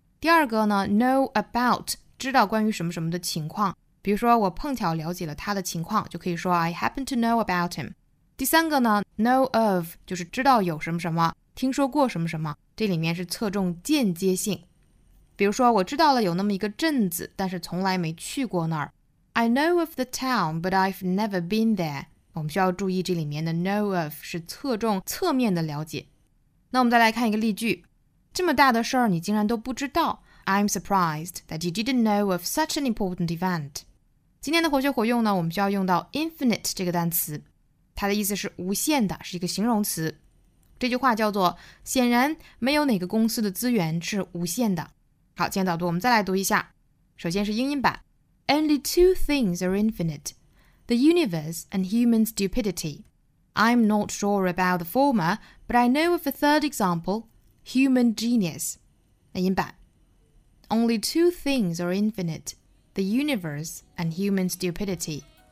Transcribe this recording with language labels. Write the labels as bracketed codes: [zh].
[zh] 第二个呢 know about， 知道关于什么什么的情况，比如说我碰巧了解了他的情况，就可以说 [en] I happen to know about him。 [zh] 第三个呢 know of， 就是知道有什么什么，听说过什么什么，这里面是侧重间接性，比如说我知道了有那么一个镇子，但是从来没去过那儿。 [en] I know of the town but I've never been there。 [zh] 我们需要注意这里面的 know of 是侧重侧面的了解。那我们再来看一个例句，这么大的事儿你竟然都不知道。 [en] I'm surprised that you didn't know of such an important event。 [zh] 今天的活学活用呢，我们需要用到 infinite 这个单词，它的意思是无限的，是一个形容词。这句话叫做，显然没有哪个公司的资源是无限的。好，今天导读我们再来读一下，首先是英音版。 [en] Only two things are infinite,The universe and human stupidity. I'm not sure about the former, but I know of a third example, human genius. [zh] 那音版。 [en] Only two things are infinite, the universe and human stupidity.